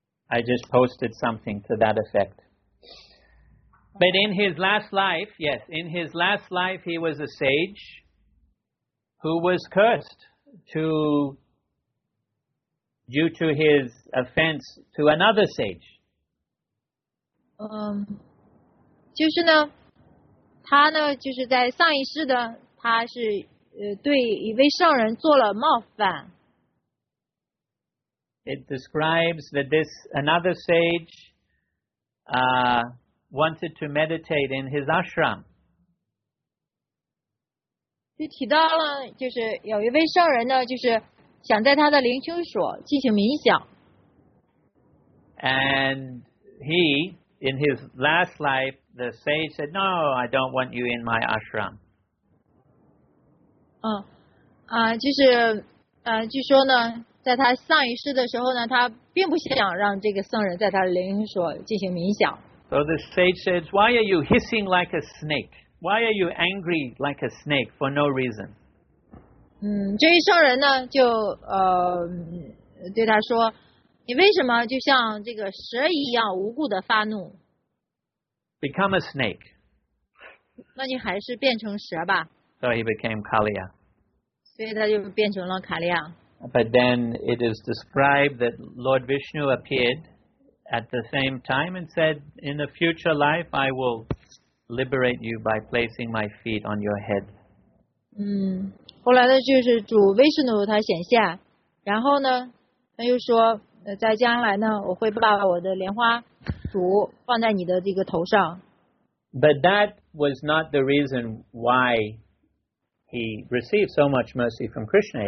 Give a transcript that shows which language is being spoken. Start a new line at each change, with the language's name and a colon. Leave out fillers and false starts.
English: I just posted something to that effect. But in his last life, yes, in his last life, he was a sage who was cursed due to his offense to another sage.
Chinese: 就是呢，他呢，就是在上一世的，他是对一位圣人做了冒犯。
English: It describes that this another sage wanted to meditate in his ashram.
Chinese: 就提到了，就是有一位圣人呢，就是想在他的灵修所进行冥想。
English: And he in his last life. The sage said, "No, I don't want you in my ashram."
Chinese: 据说呢，在他上一世的时候呢，他并不想让这个僧人在他的灵所进行冥想。
English: So the sage says, "Why are you hissing like a snake? Why are you angry like a snake for no reason?"
Chinese: 这位僧人呢，就对他说，你为什么就像这个蛇一样无故的发怒？
English: Become a snake.
Chinese: 那你还是变成蛇吧。
English: So he became Kaliya.
Chinese: 所以他就变成了卡利亚。
English: But then it is described that Lord Vishnu appeared at the same time and said, "In a future life, I will liberate you by placing my feet on your head."
Chinese: 后来呢，就是主维斯努他显现，然后呢，他又说，在将来呢，我会把我的莲花。放在你的这个头上。
English: But that was not the reason why he received so much mercy from Krishna.